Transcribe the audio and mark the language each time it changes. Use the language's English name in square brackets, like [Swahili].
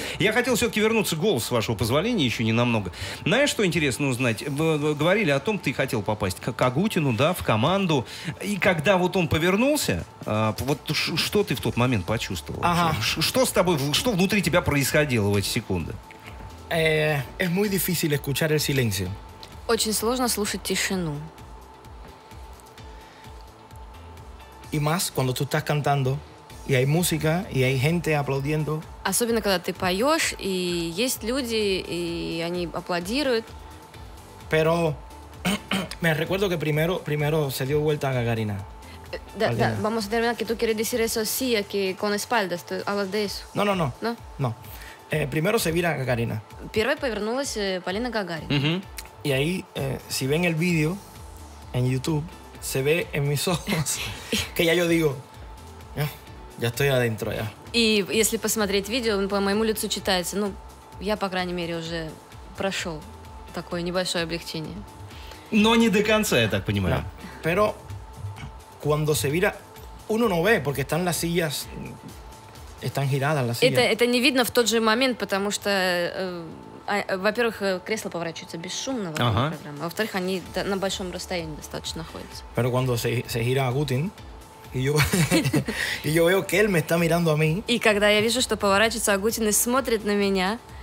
[Russian] Я хотел все-таки вернуться к голосу, с вашего позволения, еще ненамного. Знаешь, что интересно узнать? Вы говорили о том, ты хотел попасть к Агутину, да, в команду. И когда вот он повернулся, вот что ты в тот момент почувствовал? Ага. Что с тобой, что внутри тебя происходило в эти секунды? [Spanish] Es muy difícil escuchar el silencio. [Russian] Очень сложно слушать тишину. [Spanish] И más cuando tú estás cantando, y hay música, y hay gente aplaudiendo. [Russian] Особенно когда ты поешь, и есть люди, и они аплодируют. [Spanish] Pero me recuerdo que primero se dio vuelta Gagarina. [Russian] Да, да, [Spanish] vamos a terminar que tú quieres decir eso sí, que con espaldas, tú hablas de eso. No. Primero se vira Gagarina. [Russian] Первой повернулась Полина Гагарина. [Spanish] И ahí, si ven el video en YouTube, se ve en mis ojos, que ya yo digo, ya estoy adentro ya. [Russian] И если посмотреть видео, по моему лицу читается, ну, я, по крайней мере, уже прошел такое небольшое облегчение. Но не до конца, я так понимаю. [English] Yeah. [Spanish] Pero cuando se vira, uno no ve, porque están las sillas, están giradas las sillas. [Russian] Это не видно в тот же момент, потому что... Во-первых, кресло поворачивается бесшумно во время программы. Во-вторых, они на большом расстоянии достаточно находятся. [Spanish] Pero cuando se gira Agutin, y yo veo que él me está mirando a mí. [Russian] И когда я вижу, что поворачивается Агутин и смотрит на меня.